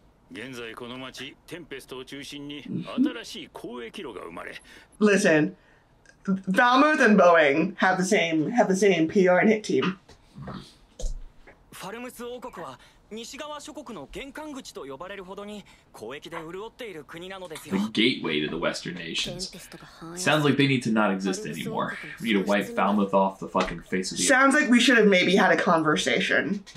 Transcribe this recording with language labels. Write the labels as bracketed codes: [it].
[ja] 現在 この町テンペストを中心に新しい交易路が生まれ。 [en] Listen, Valmuth and Boeing have the same PR and hit team. [ja] ファルムス王国は西側諸国の玄関口と呼ばれるほどに交易で潤っている国なのですよ。 [en] The gateway to the Western nations. Sounds like they need to not exist anymore. We need to wipe Falmouth off the fucking face of the earth. Sounds like we should have maybe had a conversation.